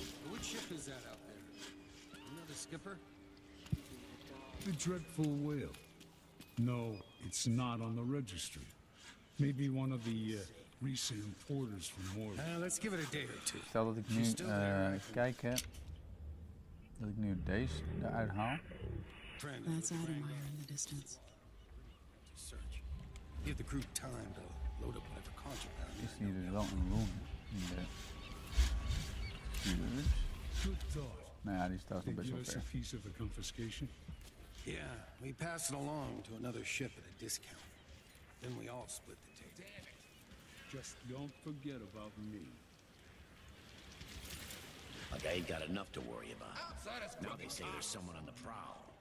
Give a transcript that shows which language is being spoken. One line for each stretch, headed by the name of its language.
English: What ship is that out there? Another skipper? The Dreadful Whale. No, it's not on the registry. Maybe one of the recent importers from Morgan. Let's give it a day or two.
Dutch: Stel dat ik nu kijk, hè. Dat ik nu deze eruit haal.
English: That's Adamire in the distance. Search. Give the crew time to load up whatever contraband.
Dutch: Is hier dus wel een room in de buurt? Nou ja, die staat nog best wel ver.
English: Did you see a piece of a confiscation? Yeah, we passed it along to another ship at a discount. Then we all split the ticket. Damn it. Just don't forget about me. Like I ain't got enough to worry about. Now they say there's someone on the prowl.